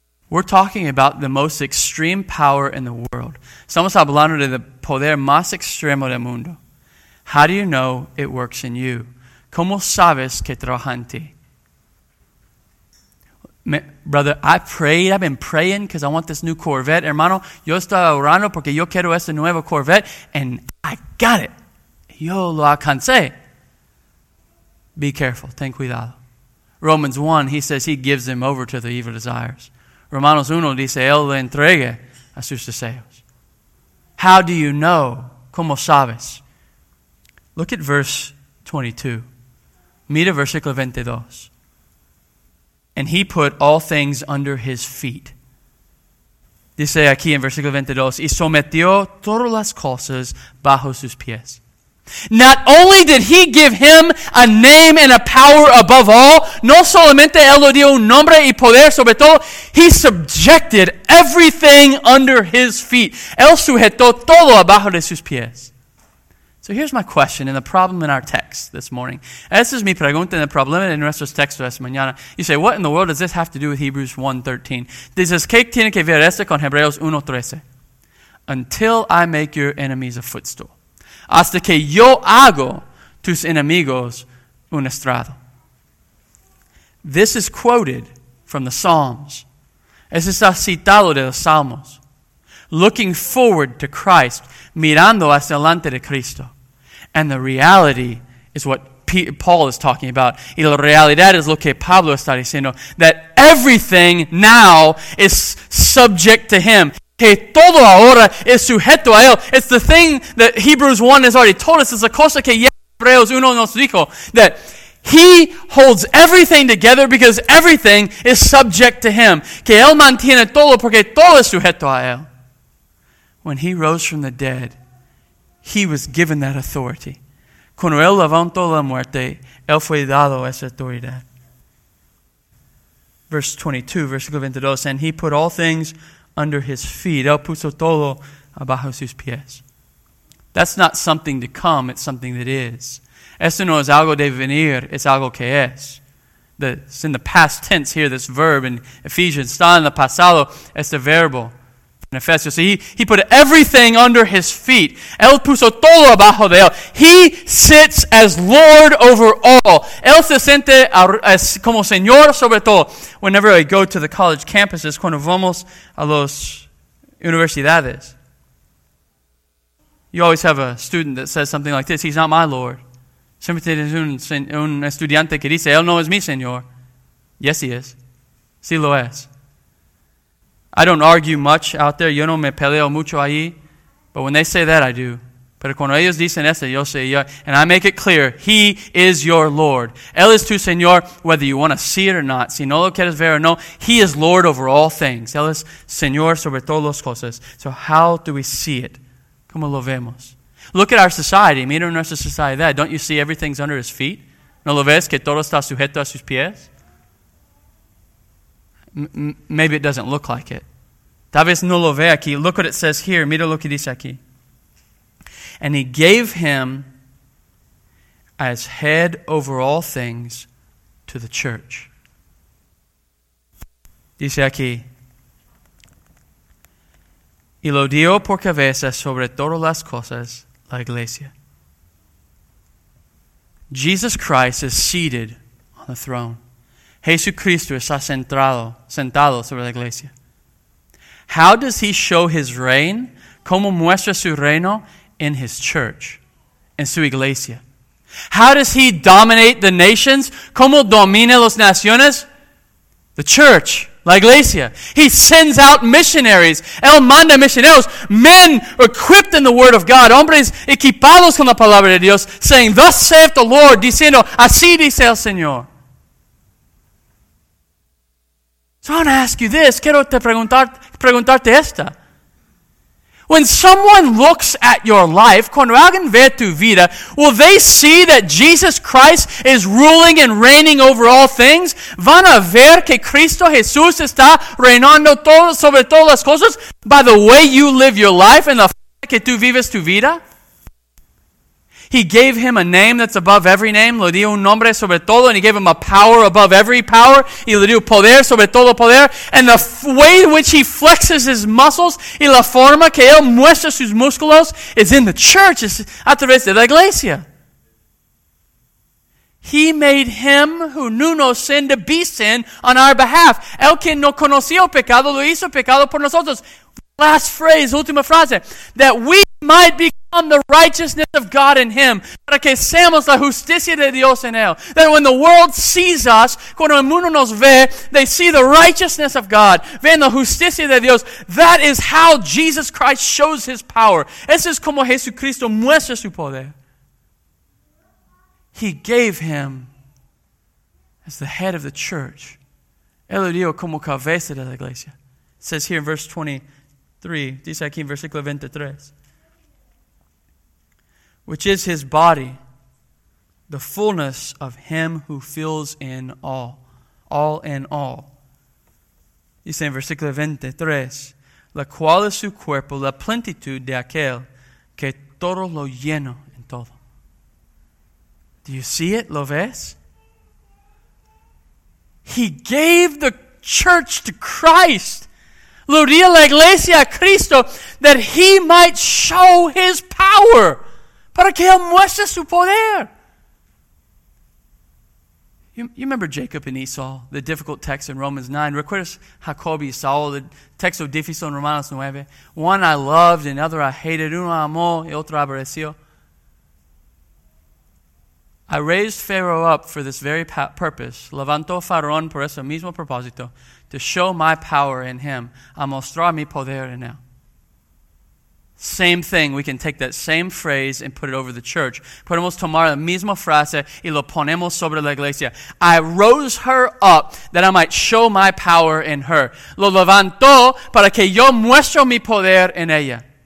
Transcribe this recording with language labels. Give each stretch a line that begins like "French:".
English: We're talking about the most extreme power in the world.
Spanish: Estamos hablando de el poder más extremo del mundo.
English: How do you know it works in you?
Spanish: ¿Cómo sabes que trabaja en ti?
English: Brother, I've been praying because I want this new Corvette.
Spanish: Hermano, yo estaba orando porque yo quiero este nuevo Corvette.
English: And I got it.
Spanish: Yo lo alcancé.
English: Be careful.
Spanish: Ten cuidado.
English: Romans 1, he says he gives them over to the evil desires.
Spanish: Romanos 1 dice, él le entrega a sus deseos.
English: How do you know?
Spanish: ¿Cómo sabes?
English: Look at verse 22.
Spanish: Mira versículo 22.
English: And he put all things under his feet.
Spanish: Dice aquí en versículo 22, y sometió todas las cosas bajo sus pies.
English: Not only did he give him a name and a power above all,
Spanish: no solamente él lo dio un nombre y poder sobre todo,
English: he subjected everything under his feet.
Spanish: Él sujetó todo abajo de sus pies.
English: So here's my question and the problem in our text this morning.
Spanish: Esa es mi pregunta en el problema en nuestros textos esta mañana.
English: You say, what in the world does this have to do with Hebrews 1:13?
Spanish: Dices, ¿qué tiene que ver esto con Hebreos 1:13?
English: Until I make your enemies a footstool.
Spanish: Hasta que yo hago tus enemigos un estrado.
English: This is quoted from the Psalms.
Spanish: Es está citado de los Salmos.
English: Looking forward to Christ,
Spanish: mirando hacia delante de Cristo.
English: And the reality is what Paul is talking about.
Spanish: Y la realidad es lo que Pablo está diciendo.
English: That everything now is subject to him.
Spanish: Que todo ahora es sujeto a él.
English: It's the thing that Hebrews 1 has already told us. It's the
Spanish: cosa que ya Hebreos 1 nos dijo.
English: That he holds everything together because everything is subject to him.
Spanish: Que él mantiene todo porque todo es sujeto a él.
English: When he rose from the dead, he was given that authority.
Spanish: Cuando él levantó la muerte, él fue dado esa autoridad.
English: Verse 22,
Spanish: versículo 22,
English: and he put all things under his feet.
Spanish: Él puso todo abajo sus pies.
English: That's not something to come, it's something that is.
Spanish: Esto no es algo de venir, es algo que es.
English: It's in the past tense here, this verb in Ephesians.
Spanish: Está en el pasado, este verbo.
English: So he put everything under his feet.
Spanish: Él puso todo abajo de él.
English: He sits as Lord over all.
Spanish: Él se siente como Señor sobre todo.
English: Whenever I go to the college campuses,
Spanish: cuando vamos a las universidades,
English: you always have a student that says something like this, he's not my Lord.
Spanish: Siempre tienes un estudiante que dice, él no es mi Señor.
English: Yes, he is.
Spanish: Sí lo es.
English: I don't argue much out there.
Spanish: Yo no me peleo mucho ahí.
English: But when they say that, I do.
Spanish: Pero cuando ellos dicen eso, yo sé.
English: Yo, and I make it clear, he is your Lord.
Spanish: Él es tu Señor,
English: whether you want to see it or not.
Spanish: Si no lo quieres ver o no,
English: he is Lord over all things.
Spanish: Él es Señor sobre todas las cosas.
English: So how do we see it?
Spanish: ¿Cómo lo vemos?
English: Look at our society.
Spanish: Mira nuestra sociedad.
English: Don't you see everything's under his feet?
Spanish: ¿No lo ves que todo está sujeto a sus pies?
English: Maybe it doesn't look like it.
Spanish: Tal vez no lo ve aquí.
English: Look what it says here.
Spanish: Mira lo que dice aquí.
English: And he gave him as head over all things to the church.
Spanish: Dice aquí, y lo dio por cabeza sobre todas las cosas, la iglesia.
English: Jesus Christ is seated on the throne.
Spanish: Jesucristo está sentado sobre la iglesia.
English: How does he show his reign?
Spanish: ¿Cómo muestra su reino?
English: In his church,
Spanish: en su iglesia.
English: How does he dominate the nations?
Spanish: ¿Cómo domina las naciones?
English: The church,
Spanish: la iglesia.
English: He sends out missionaries.
Spanish: Él manda misioneros.
English: Men equipped in the word of God.
Spanish: Hombres equipados con la palabra de Dios.
English: Saying, thus saith the Lord.
Spanish: Diciendo, así dice el Señor.
English: So I want to ask you this.
Spanish: Quiero preguntarte esta.
English: When someone looks at your life,
Spanish: cuando alguien ve tu vida,
English: will they see that Jesus Christ is ruling and reigning over all things?
Spanish: ¿Van a ver que Cristo Jesús está reinando todo, sobre todas las cosas
English: by the way you live your life and the fact
Spanish: que tú vives tu vida?
English: He gave him a name that's above every name.
Spanish: Le dio un nombre sobre todo.
English: And he gave him a power above every power.
Spanish: Y le dio poder sobre todo poder.
English: And the way in which he flexes his muscles
Spanish: y la forma que él muestra sus músculos
English: is in the church,
Spanish: is a través de la iglesia.
English: He made him who knew no sin to be sin on our behalf.
Spanish: El que no conoció pecado lo hizo pecado por nosotros.
English: Last phrase,
Spanish: última frase.
English: That we might become the righteousness of God in him.
Spanish: Para que seamos la justicia de Dios en él.
English: That when the world sees us,
Spanish: cuando el mundo nos ve,
English: they see the righteousness of God.
Spanish: Ven la justicia de Dios.
English: That is how Jesus Christ shows his power.
Spanish: Eso es como Jesucristo muestra su poder.
English: He gave him as the head of the church.
Spanish: Él lo dio como cabeza de la iglesia.
English: It says here in verse 23,
Spanish: dice aquí en versículo 23.
English: Which is his body, the fullness of him who fills in all. All in all.
Spanish: Dice en versículo 23. La cual es su cuerpo, la plenitud de aquel que todo lo lleno en todo.
English: Do you see it?
Spanish: ¿Lo ves?
English: He gave the church to Christ.
Spanish: Lo dio la iglesia a Cristo
English: that he might show his power.
Spanish: Para que él muestre su poder.
English: You remember Jacob and Esau, the difficult text in Romans 9.
Spanish: ¿Recuerdas Jacob y Esau, the texto difícil en Romanos 9?
English: One I loved and other I hated.
Spanish: Uno amó y otro aborreció.
English: I raised Pharaoh up for this very purpose.
Spanish: Levantó Faraón por ese mismo propósito.
English: To show my power in him.
Spanish: A mostrar mi poder en él.
English: Same thing. We can take that same phrase and put it over the church.
Spanish: Podemos tomar la misma frase y lo ponemos sobre la iglesia.
English: I rose her up that I might show my power in her.
Spanish: Lo levantó para que yo muestre mi poder en ella.